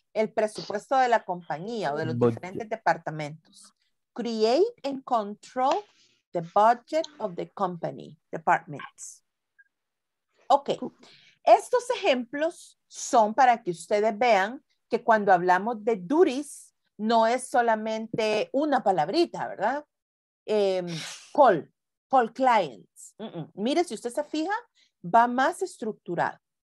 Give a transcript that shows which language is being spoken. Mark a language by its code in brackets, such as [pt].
[es] El presupuesto de la compañía o de los diferentes departamentos. [en] Create and control the budget of the company, departments. Okay. [es] Estos ejemplos son para que ustedes vean que cuando hablamos de duties, no es solamente una palabrita, ¿verdad? [en] Call clients. [es] Mire, si usted se fija, va más estructurado.